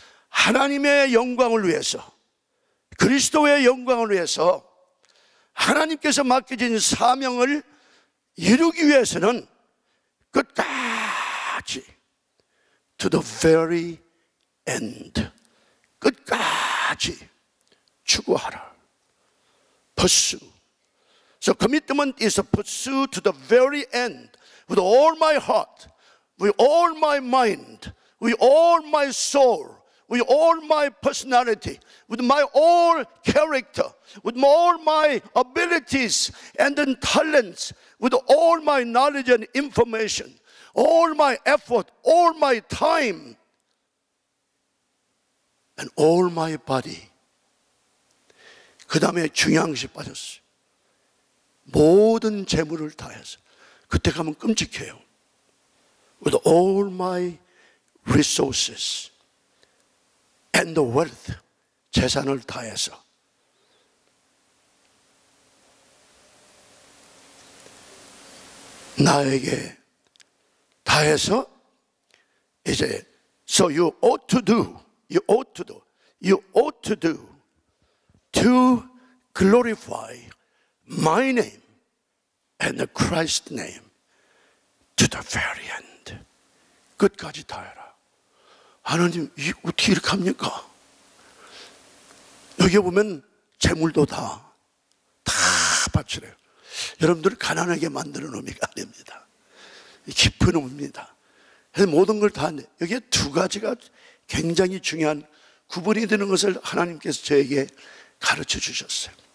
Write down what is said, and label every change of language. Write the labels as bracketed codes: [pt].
[ko] 하나님의 영광을 위해서, 그리스도의 영광을 위해서 하나님께서 맡겨진 사명을 이루기 위해서는 끝까지, [en] to the very end, [ko] 끝까지 추구하라. [en] Pursue. So commitment is a pursuit to the very end with all my heart, with all my mind, with all my soul, with all my personality, with my all character, with all my abilities and talents, with all my knowledge and information, all my effort, all my time, and all my body. [ko] 그 다음에 중요한 것이 빠졌어요. 모든 재물을 다해서, 그때 가면 끔찍해요. [en] With all my resources and the wealth, [ko] 재산을 다해서 나에게 다해서 이제 [en] so you ought to do, you ought to do, you ought to do to glorify my name and the Christ name to the very end. [ko] 끝까지 다해라. 하나님, 이게 어떻게 이렇게 합니까? 여기 보면 재물도 다 바치래요. 여러분들 가난하게 만드는 의미가 아닙니다. 깊은 의미입니다. 그래서 모든 걸 다, 여기에 두 가지가 굉장히 중요한 구분이 되는 것을 하나님께서 저에게 가르쳐 주셨어요.